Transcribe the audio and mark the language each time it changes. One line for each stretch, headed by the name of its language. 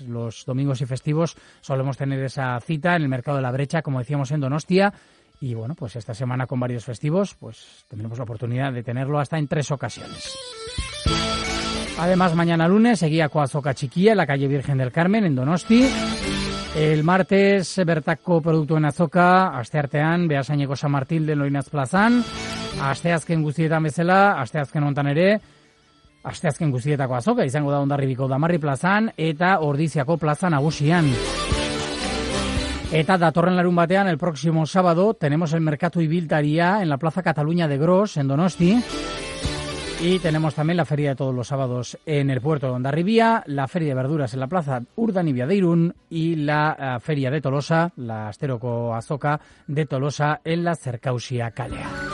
Spanish: Los domingos y festivos solemos tener esa cita en el mercado de La Brecha, como decíamos, en Donostia. Y bueno, pues esta semana con varios festivos, pues tendremos la oportunidad de tenerlo hasta en tres ocasiones. Además, mañana lunes seguía Coazoca Chiquilla en la calle Virgen del Carmen, en Donosti.
Basque: El martes, Bertako Produktu en Azoka, asteartean, Beasaineko San Martín de Loinaz Plazan, asteazken guztietan bezala, asteazken hontan ere, asteazken guztietako azoka, izango da Hondarribiko Damarri Plazan, eta Ordiziako Plaza Nagusian. Eta datorren larun batean,
Spanish: el próximo sábado, tenemos el Mercatu Ibiltaria en la Plaza Cataluña de Gros, en Donosti. Y tenemos también la feria de todos los sábados en el puerto de Hondarribia, la feria de verduras en la plaza Urdanibia de Irún y la feria de Tolosa, la Asteroko Azoka de Tolosa en la Zercausia Kalea.